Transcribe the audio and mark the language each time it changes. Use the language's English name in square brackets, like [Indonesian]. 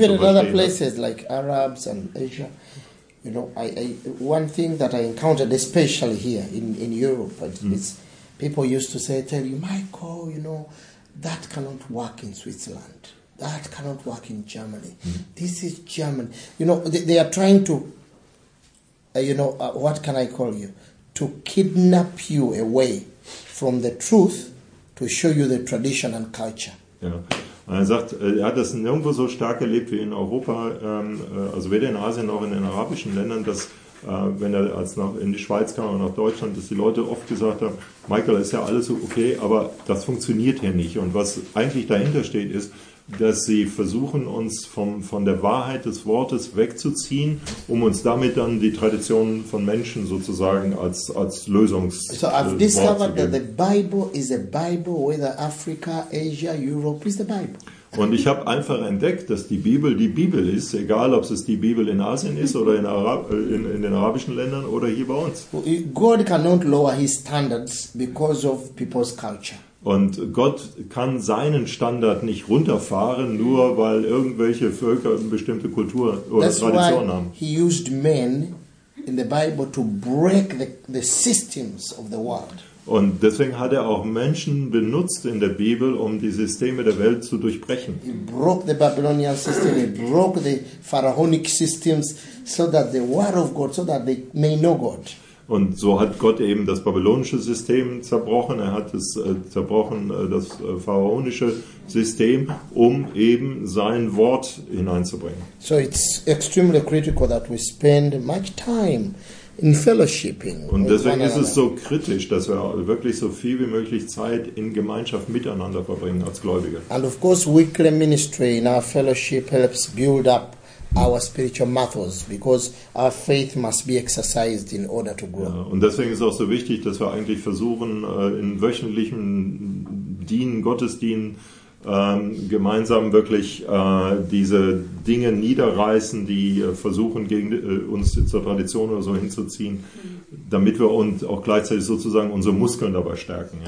[English] Even in other places like Arabs and Asia, you know, I one thing that I encountered especially here in Europe, is people used to say, tell you, Michael, you know, that cannot work in Switzerland. That cannot work in Germany. This is Germany. You know, they are trying to, what can I call you? To kidnap you away from the truth to show you the tradition and culture. [German] Ja, und er sagt, er hat das nirgendwo so stark erlebt wie in Europa, also weder in Asien noch in den arabischen Ländern, dass wenn er als noch in die Schweiz kam und nach Deutschland, dass die Leute oft gesagt haben, Michael, ist ja alles okay, aber das funktioniert hier nicht. Und was eigentlich dahinter steht, ist, dass sie versuchen, uns von der Wahrheit des Wortes wegzuziehen, um uns damit dann die Traditionen von Menschen sozusagen als Lösungs zu geben. [English] So I've discovered that the Bible is a Bible, whether Africa, Asia, Europe is the Bible. [German] Und ich habe einfach entdeckt, dass die Bibel ist, egal ob es die Bibel in Asien ist oder in den arabischen Ländern oder hier bei uns. [English] God cannot lower his standards because of people's culture. [German] Und Gott kann seinen Standard nicht runterfahren, nur weil irgendwelche Völker eine bestimmte Kultur oder Tradition haben. [English] He used men in the Bible to break the systems of the world. [German] Und deswegen hat er auch Menschen benutzt in der Bibel, um die Systeme der Welt zu durchbrechen. [English] He broke the Babylonian system, he broke the pharaonic systems, so that the word of God, so that they may know God. [German] Und so hat Gott eben das babylonische System zerbrochen. Er hat es zerbrochen, das pharaonische System, um eben sein Wort hineinzubringen. [English] So it's extremely critical that we spend much time in fellowshipping. [German] Und deswegen ist es so kritisch, dass wir wirklich so viel wie möglich Zeit in Gemeinschaft miteinander verbringen als Gläubige. [English] And of course, weekly ministry in our fellowship helps build up our spiritual muscles, because our faith must be exercised in order to grow. [German] Ja, und deswegen ist es auch so wichtig, dass wir eigentlich versuchen, in wöchentlichen Dienen, Gottesdienen, gemeinsam wirklich diese Dinge niederreißen, die versuchen, gegen uns zur Tradition oder so hinzuziehen, damit wir uns auch gleichzeitig sozusagen unsere Muskeln dabei stärken.